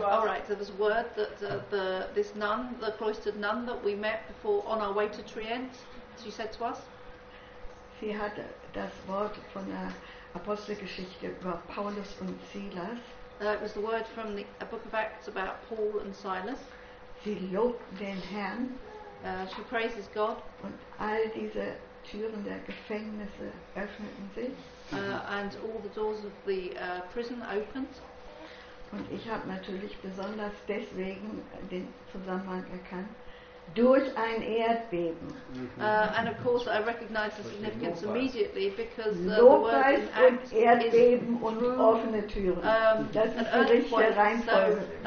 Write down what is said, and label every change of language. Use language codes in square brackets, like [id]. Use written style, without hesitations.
[en] All right, so this word that this nun, the cloistered nun that we met before on our way to Trient, she said to us? [de] Sie hat das Wort von der Apostelgeschichte über Paulus und Silas. [en] It was the word from the Book of Acts about Paul and Silas. [de] Sie lobt den Herrn. [en] She praises God. [de] Und all diese Türen der Gefängnisse öffneten sich. [en] And all the doors of the prison opened. [de] Und ich habe natürlich besonders deswegen den Zusammenhang erkannt. Durch ein Erdbeben. [en] And of course I recognize the significance immediately because [de] Lobpreis und Erdbeben und offene Türen. Das ist die richtige Reihenfolge.